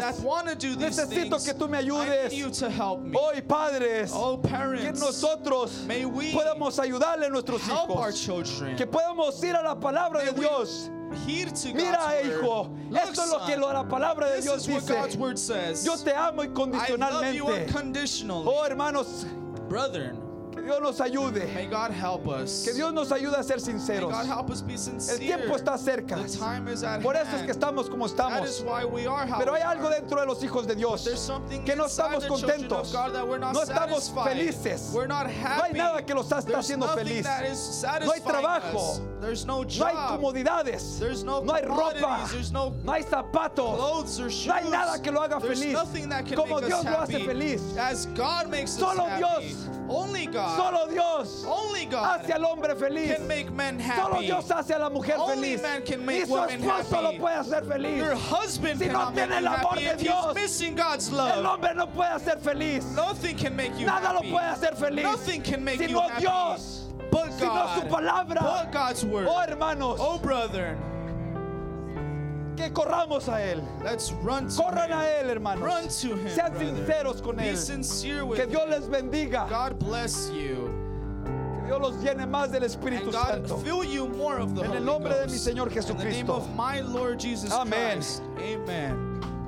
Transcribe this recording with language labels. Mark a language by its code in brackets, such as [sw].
[en] That want to do these [es] Necesito [en] things. [es] Que tú me ayudes. [en] I need you to help me. [es] Hoy, padres, [en] oh, parents, [es] que nosotros [en] may we [es] podamos ayudarle a nuestros [en] help [es] hijos. [en] Our children. [es] Que podamos ir a la palabra [en] may [es] de Dios. [en] Hear to [es] Mira, [en] God's [es] hijo, [en] Look, [es] esto [en] son, [es] es lo que la palabra de Dios [en] this is [es] dice. [en] What God's word says. [es] Yo te amo incondicionalmente. [en] I love you unconditionally. [es] Oh, hermanos, [en] brethren, [es] que Dios nos ayude. [en] May God help us. [es] Que Dios nos ayude a ser sinceros. [en] May God help us be sincere. [es] El tiempo está cerca. [en] The time is at [es] Por eso es que estamos como estamos. [en] That is why we are how [es] Pero hay [en] we are. [es] Algo dentro de los hijos de Dios que no estamos contentos. [en] Of God that we're not [es] no estamos [en] satisfied. [es] Felices. [en] We're not happy. [es] No hay nada que los está haciendo feliz. [en] That is satisfying [es] no hay trabajo. [en] Us. There's no job. [es] No hay comodidades. [en] There's no [es] no hay ropa. [en] There's no, [es] no hay zapatos. [en] Clothes or shoes. [es] No hay nada que lo haga [en] There's [es] feliz. [en] Nothing that can [es] como [en] make [es] Dios [en] us [es] lo [en] happy. [es] Hace feliz. [en] As God makes us [es] Solo Dios. [en] Happy. Only God. [es] Solo Dios. [en] Only God. [es] Hace al hombre feliz. [en] Can make men happy. [es] Solo Dios hace a la mujer feliz. [en] Only man can make [es] y su esposo lo puede hacer feliz. [en] Your husband [es] si no tiene el amor [en] happy. [es] De Dios. [en] He's missing God's love. [es] El hombre no puede hacer feliz. [en] Nothing can make you [es] Nada [en] happy. [es] Lo puede hacer feliz. [en] Nothing can make [es] si [en] you [es] no [en] happy. [es] Dios. [en] But God. [es] Si no su palabra. [en] But God's word. [es] Oh, hermanos. [en] Oh, brethren. [es] Que corramos a él. [en] Let's run to [es] Corran [en] him. [es] A él, hermanos. [en] Run to him, [es] Sean [en] brother. [es] Sinceros con [en] Be [es] él. [en] Sincere with [es] que Dios [en] him. [es] Les bendiga. [en] God bless you. [es] Que Dios los llene más del Espíritu [en] And God [es] Santo. [en] Fill you more of the [es] en [en] Holy [es] el nombre [en] Ghost. [es] De mi Señor Jesucristo. [en] In the name of my Lord Jesus [es] Amén. [en] Christ. Amen.